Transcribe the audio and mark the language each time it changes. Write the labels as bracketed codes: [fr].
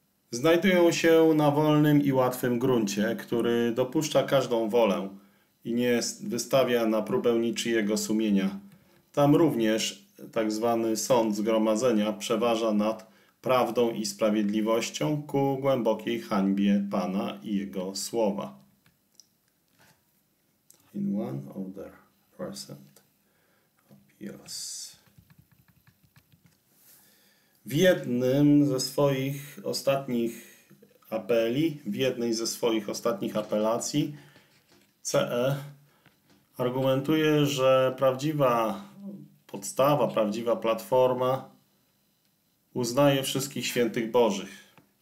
[pl] Znajdują się na wolnym i łatwym gruncie, który dopuszcza każdą wolę i nie wystawia na próbę niczyjego sumienia. Tam również tak zwany sąd zgromadzenia przeważa nad prawdą i sprawiedliwością ku głębokiej hańbie Pana i Jego słowa. [en] In one of the present appeals. [pl] W jednym ze swoich ostatnich apeli, w jednej ze swoich ostatnich apelacji CE argumentuje, że prawdziwa podstawa, prawdziwa platforma uznaje wszystkich świętych Bożych.